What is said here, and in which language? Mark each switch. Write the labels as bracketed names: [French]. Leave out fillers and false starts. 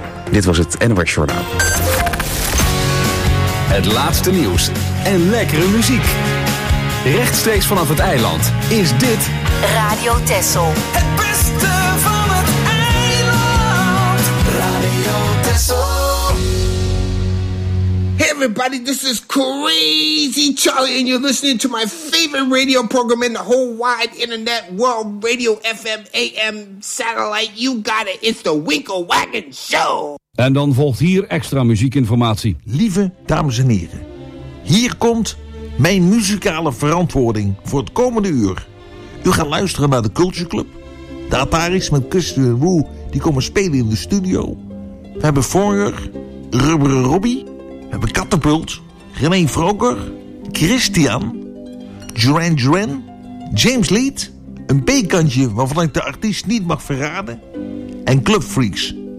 [Dutch] Dit was het NOS Journaal. Het laatste nieuws en lekkere muziek. Rechtstreeks vanaf het eiland is dit Radio Texel. Het beste van het eiland. Radio Texel. [English] Hey everybody, this is Crazy Charlie and you're listening to my favorite radio program in the whole wide internet world, Radio FM, AM, satellite, you got it, it's the Winkle Wagon Show. [Dutch] En dan volgt hier extra muziekinformatie. Lieve dames en heren, hier komt mijn muzikale verantwoording voor het komende uur. U gaat luisteren naar de Culture Club. De Ataris met Christian en Woe, die komen spelen in de studio. We hebben Foyer, Rubberen Robbie, we hebben Katapult, René Vroker, Christian, Duran Duran, James Leed, een B-kantje waarvan ik de artiest niet mag verraden, en Club Freaks.